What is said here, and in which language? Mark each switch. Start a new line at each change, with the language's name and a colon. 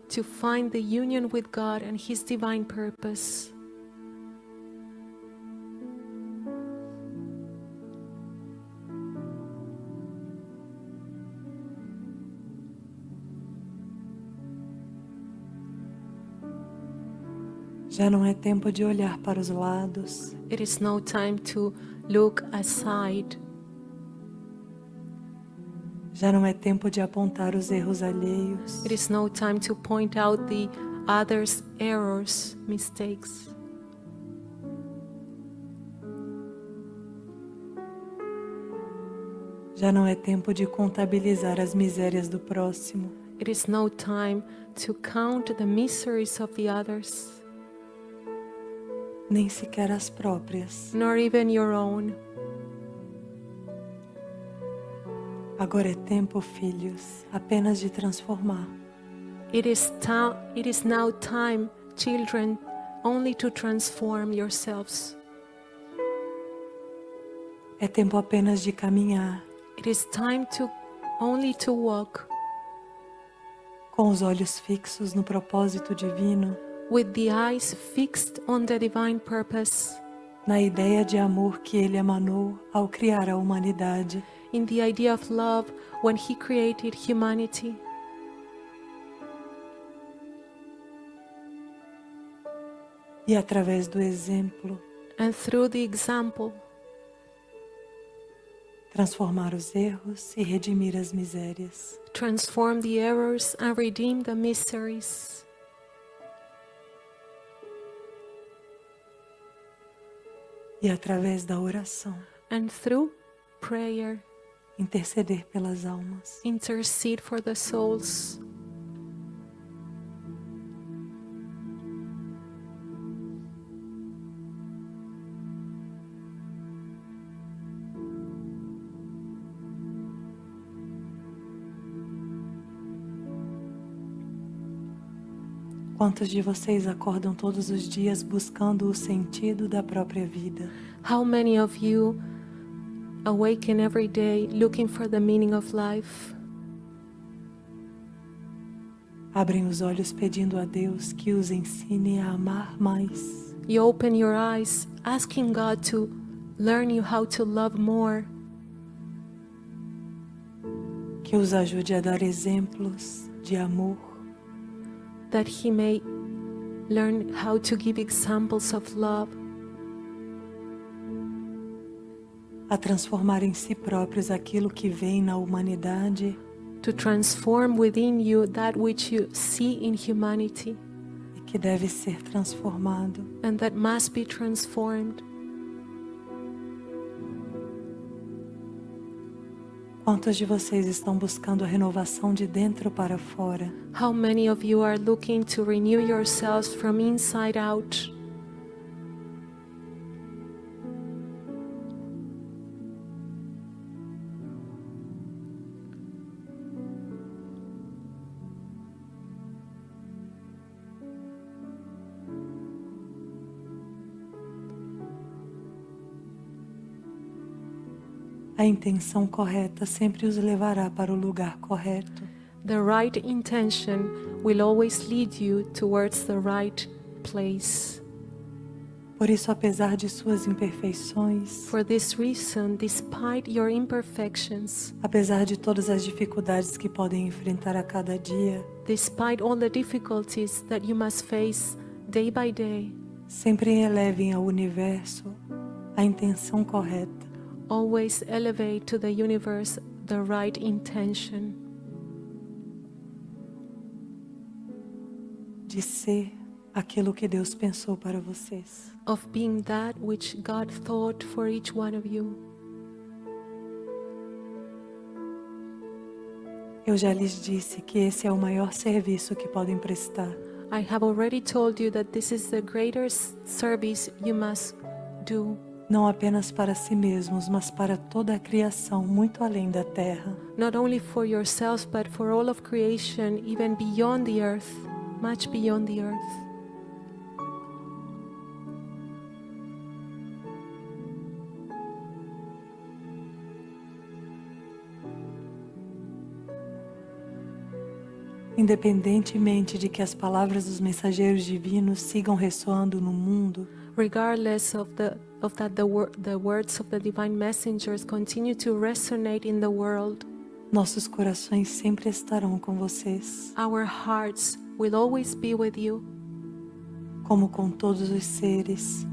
English: To find the union with God and his divine purpose.
Portuguese: Já não é tempo de olhar para os lados.
English: It is no time to look aside.
Portuguese: Já não é tempo de apontar os erros alheios.
English: It is no time to point out the others' errors, mistakes.
Portuguese: Já não é tempo de contabilizar as misérias do próximo.
English: It is no time to count the miseries of the others.
Portuguese: Nem sequer as próprias.
English: Nor even your own.
Portuguese: Agora é tempo, filhos, apenas de transformar.
English: It is now time, children, only to transform yourselves.
Portuguese: É tempo apenas de caminhar.
English: It is time to only to walk.
Portuguese: Com os olhos fixos no propósito divino.
English: With the eyes fixed on the divine purpose,
Portuguese: na ideia de amor que ele emanou ao criar a humanidade,
English: in the idea of love when he created humanity,
Portuguese: e através do exemplo,
English: and through the example,
Portuguese: transformar os erros e redimir as misérias,
English: transform the errors and redeem the miseries.
Portuguese: E através da oração.
English: And through prayer.
Portuguese: Interceder pelas almas.
English: Intercede for the souls.
Portuguese: Quantos de vocês acordam todos os dias buscando o sentido da própria vida?
English: How many of you awaken every day looking for the meaning of life?
Portuguese: Abrem os olhos pedindo a Deus que os ensine a amar mais.
English: You open your eyes asking God to learn you how to love more.
Portuguese: Que os ajude a dar exemplos de amor.
English: That he may learn how to give examples of love.
Portuguese: A transformar em si próprios aquilo que vem na humanidade.
English: To transform within you that which you see in humanity.
Portuguese: E que deve ser transformado.
English: And that must be transformed.
Portuguese: Quantos de vocês estão buscando a renovação de dentro para fora?
English: How many of you are looking to renew yourselves from inside out?
Portuguese: A intenção correta sempre os levará para o lugar correto.
English: The right intention will always lead you towards the right place.
Portuguese: Por isso, apesar de suas imperfeições,
English: for this reason, despite your imperfections,
Portuguese: apesar de todas as dificuldades que podem enfrentar a cada dia,
English: despite all the difficulties that you must face day by day,
Portuguese: sempre elevem ao universo a intenção correta.
English: Always elevate to the universe the right intention.
Portuguese: De ser aquilo que Deus pensou para vocês.
English: Of being that which God thought for each one of you.
Portuguese: Eu já lhes disse que esse é o maior serviço que podem prestar.
English: I have already told you that this is the greatest service you must do.
Portuguese: Não apenas para si mesmos, mas para toda a criação, muito além da terra.
English: Not only for yourselves, but for all of creation, even beyond the earth, much beyond the earth.
Portuguese: Independentemente de que as palavras dos mensageiros divinos sigam ressoando no mundo,
English: regardless of the that the words of the divine messengers continue to resonate in the world,
Portuguese: nossos corações sempre estarão com vocês.
English: Our hearts will always be with you.
Portuguese: Como com todos os seres.